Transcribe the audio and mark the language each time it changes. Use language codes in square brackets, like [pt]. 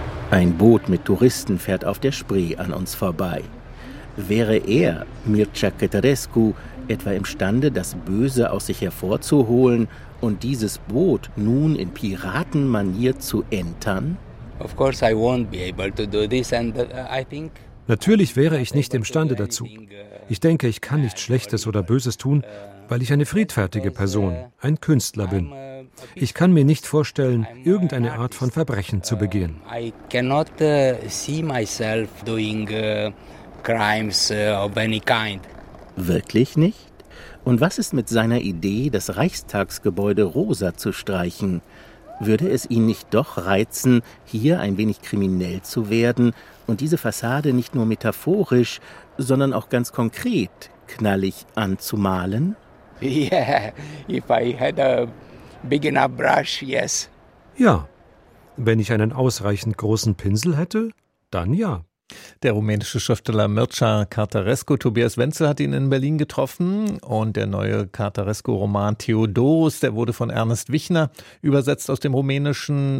[de] Ein Boot mit Touristen fährt auf der Spree an uns vorbei. Wäre er, Mircea Ceterescu, etwa imstande, das Böse aus sich hervorzuholen und dieses Boot nun in Piratenmanier zu entern? [en] Of course I won't be able to do this, and I think. [de] Natürlich wäre ich nicht imstande dazu. Ich denke, ich kann nichts Schlechtes oder Böses tun, weil ich eine friedfertige Person, ein Künstler bin. Ich kann mir nicht vorstellen, irgendeine Art von Verbrechen zu begehen. [en] I cannot see myself doing crimes of any kind. [de] Wirklich nicht? Und was ist mit seiner Idee, das Reichstagsgebäude rosa zu streichen? Würde es ihn nicht doch reizen, hier ein wenig kriminell zu werden und diese Fassade nicht nur metaphorisch, sondern auch ganz konkret knallig anzumalen? [en] Yeah, if I had a big enough brush, yes. [de] Ja, wenn ich einen ausreichend großen Pinsel hätte, dann ja. Der rumänische Schriftsteller Mircea Cărtărescu, Tobias Wenzel, hat ihn in Berlin getroffen. Und der neue Cărtărescu-Roman Theodoros, der wurde von Ernest Wichner übersetzt aus dem Rumänischen.